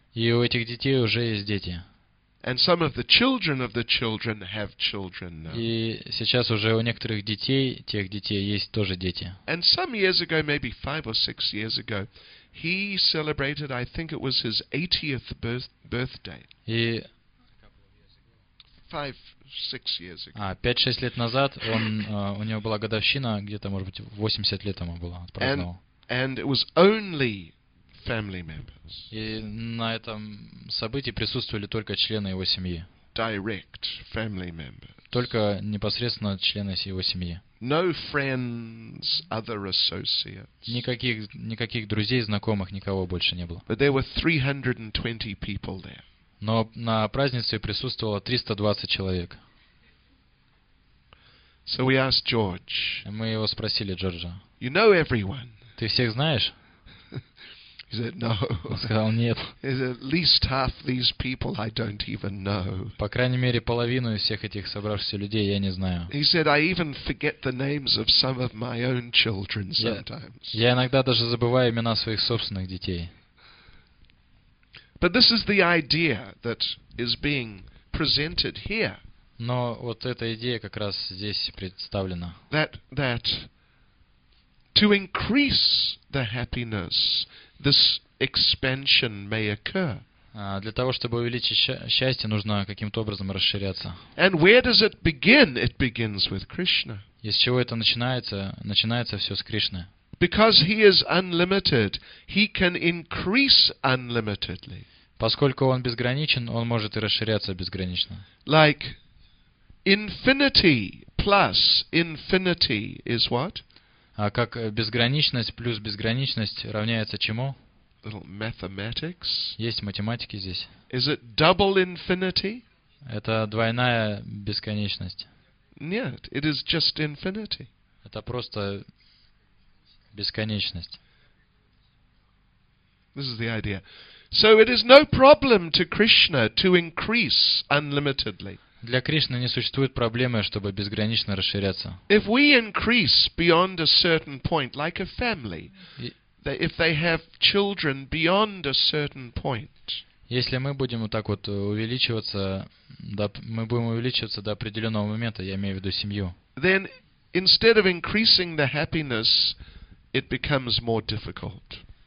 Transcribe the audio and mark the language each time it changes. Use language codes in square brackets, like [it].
[ru] И у этих детей уже есть дети. [en] And some of the children of the children have children now. [ru] И сейчас уже у некоторых детей, тех детей, есть тоже дети. [en] And some years ago, maybe 5 or 6 years ago, he celebrated, I think it was his 80th birthday. [ru] И [en] 5-6 years ago. [ru] 5-6 лет назад он у него была годовщина, где-то, может быть, 80 лет ему было, отпраздновал. [en] And it was only family members. [ru] И на этом событии присутствовали только члены его семьи. [en] Direct family members. [ru] Только непосредственно члены его семьи. [en] No friends, other associates. [ru] Никаких друзей, знакомых, никого больше не было. [en] But there were 320 people there. [ru] Но на празднице присутствовало 320 человек. [en] So we asked George. [ru] Мы его спросили, Джорджа. [en] You know everyone. [ru] Ты всех знаешь? [en] He said no. [ru] Он сказал нет. [en] There's at least half these people I don't even know. [ru] По крайней мере половину из всех этих собравшихся людей я не знаю. [en] He said I even forget the names of some of my own children sometimes. [ru] Я иногда даже забываю имена своих собственных детей. [en] But this is the idea that is being presented here. [ru] Но вот эта идея как раз здесь представлена. [en] That to increase the happiness, this expansion may occur. [ru] Для того, чтобы увеличить счастье, нужно каким-то образом расширяться. [en] And where does it begin? It begins with Krishna. [ru] Из чего это начинается? Начинается все с Кришны. [en] Because he is unlimited, he can increase unlimitedly. [ru] Поскольку он безграничен, он может и расширяться безгранично. [en] Like infinity plus infinity is what? [ru] А как безграничность плюс безграничность равняется чему? [en] Little mathematics. [ru] Есть математики здесь. [en] Is it double infinity? [ru] Это двойная бесконечность. Нет, [en] it is just infinity. [ru] Это просто бесконечность. [en] This is the idea. So it is no problem to Krishna to increase unlimitedly. [ru] Для Кришны не существует проблемы, чтобы безгранично расширяться. [en] If we increase beyond a certain point, like a family, if they have children beyond a certain point. [ru] Если мы будем вот так вот увеличиваться, да, мы будем увеличиваться до определенного момента, я имею в виду семью. [en] Then instead of increasing the happiness, it becomes more difficult.